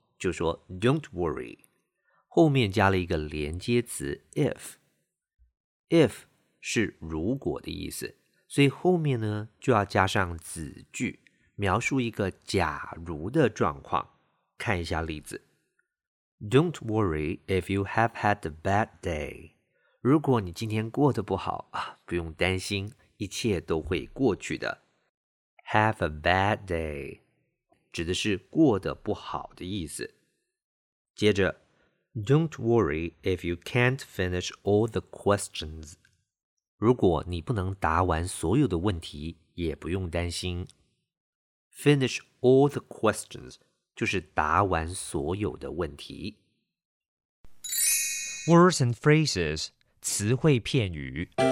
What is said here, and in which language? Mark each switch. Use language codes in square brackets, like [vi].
[zh] 就说 [en] Don't worry， [zh] 后面加了一个连接词 if。 If 是如果的意思，所以后面呢就要加上子句，描述一个假如的状况。看一下例子。 [en] Don't worry if you have had a bad day. [zh] 如果你今天过得不好，不用担心，一切都会过去的。 [en] Have a bad day [zh] 指的是过得不好的意思。接着 [en] Don't worry if you can't finish all the questions. [zh] 如果你不能答完所有的问题，也不用担心。 [en] Finish all the questions [zh] 就是答完所有的问题。 [en] Words and phrases [zh] 词汇片语